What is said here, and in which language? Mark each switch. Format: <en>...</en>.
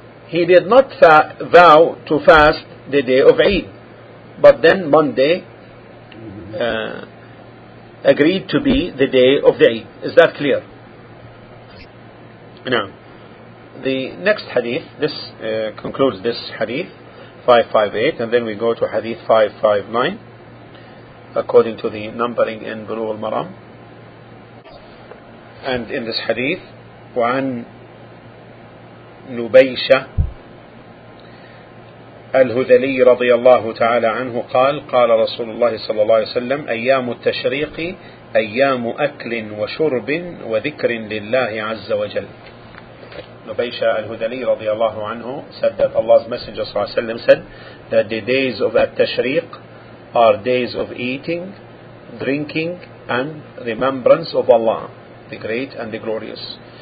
<en>He did not vow to fast the day of Eid, but then Monday agreed to be the day of the Eid. Is that clear? Now, the next hadith, this concludes this hadith, 558, and then we go to hadith 559, according to the numbering in Bulugh al-Maram. And in this hadith,</en> <ar>وعن نبيشة الهذلي رضي الله تعالى عنه قال قال رسول الله صلى الله عليه وسلم أيام التشريق أيام أكل وشرب وذكر لله عز وجل.</ar> <en>Nubaysha al-Hudali radiyallahu anhu said that Allah's Messenger</en> <ar>صلى الله عليه وسلم</ar> <en>said that the days of at-tashriq are days of eating, drinking and remembrance of Allah, the great and the glorious.</en>